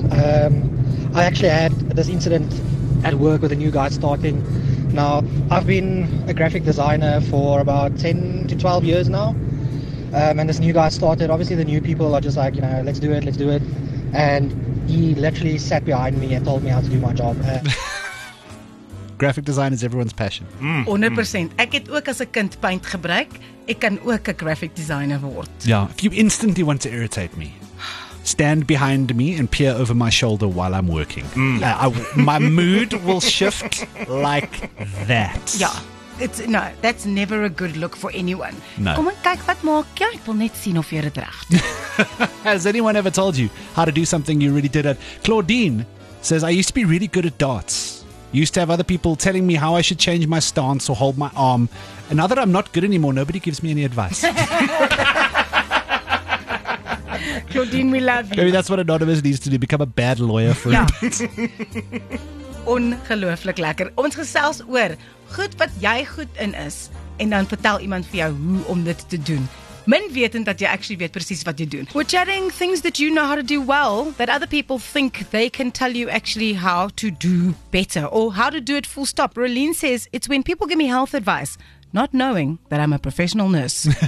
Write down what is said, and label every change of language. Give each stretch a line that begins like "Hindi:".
English: I actually had this incident at work with a new guy starting. Now, I've been a graphic designer for about 10 to 12 years now. And this new guy started. Obviously, the new people are just like, you know, let's do it. And he literally sat behind me and told me how to do my job. Graphic design is everyone's passion. Mm. 100%.
Afrikaans: Mm. Ek het ook as 'n kind paint gebruik. Ek kan ook 'n graphic designer word.
English: Yeah, if you instantly want to irritate me, stand behind me and peer over my shoulder while I'm working. Mm. My mood will shift like that. Yeah. It's no, that's never a good look for anyone. No.
Afrikaans: Kom en kyk wat maak jy? Ek wil net sien of jy dit reg doen.
English: Has anyone ever told you how to do something you really did at? Claudine says, I used to be really good at darts. Used to have other people telling me how I should change my stance or hold my arm. And now that I'm not good anymore, nobody gives me any advice. Claudine, we love you. Maybe that's what Anonymous needs to do, become a bad lawyer for a bit.
Afrikaans: Ongelooflik lekker. Ons gesels oor goed wat jy goed in is en dan vertel iemand vir jou hoe om dit te doen. Min wetend dat jy actually weet presies wat jy doen.
English: We're chatting things that you know how to do well that other people think they can tell you actually how to do better or how to do it full stop. Rolene says, it's when people give me health advice, not knowing that I'm a professional nurse.